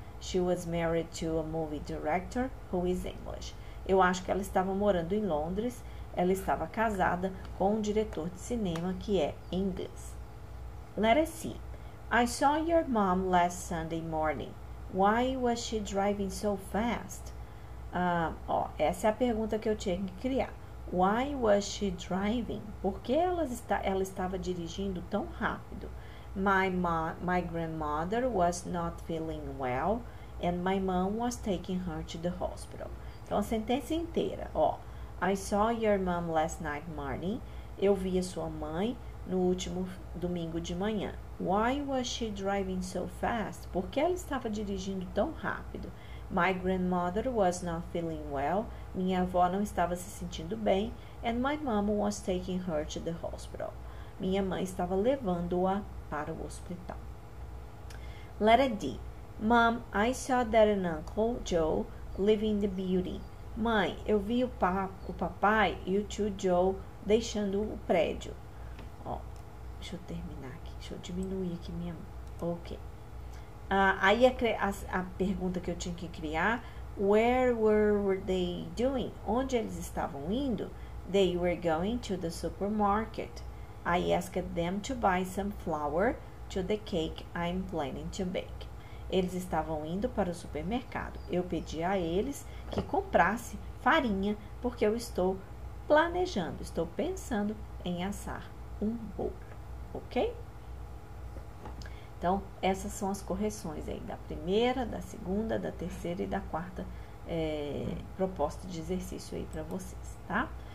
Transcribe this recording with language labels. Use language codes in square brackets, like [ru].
[en] She was married to a movie director who is English. [pt] Eu acho que ela estava morando em Londres. Ela estava casada com um diretor de cinema que é inglês. [en] Let us see. I saw your mom last Sunday morning. Why was she driving so fast? [pt] Essa é a pergunta que eu tinha que criar. [en] Why was she driving? [pt] Por que ela estava dirigindo tão rápido? [en] My grandmother was not feeling well and my mom was taking her to the hospital. [pt] Então a sentença inteira, ó. [en] I saw your mom last night morning. [pt] Eu vi a sua mãe no último domingo de manhã. [en] Why was she driving so fast? [pt] Por que ela estava dirigindo tão rápido? [en] My grandmother was not feeling well. [pt] Minha avó não estava se sentindo bem. [en] And my mom was taking her to the hospital. [pt] Minha mãe estava levando-a para o hospital. [en] Letter D. Mom, I saw that an uncle, Joe, leaving the building. [pt] Mãe, eu vi o papai e o tio Joe deixando o prédio. Deixa eu terminar aqui, deixa eu diminuir aqui minha mão. Ok. Aí a pergunta que eu tinha que criar: [en] Where were they doing? [pt] Onde eles estavam indo? [en] They were going to the supermarket. I asked them to buy some flour to the cake I'm planning to bake. [pt] Eles estavam indo para o supermercado. Eu pedi a eles que comprasse farinha porque eu estou planejando, estou pensando em assar um bolo. Ok? Então, essas são as correções aí da primeira, da segunda, da terceira e da quarta proposta de exercício aí para vocês, tá?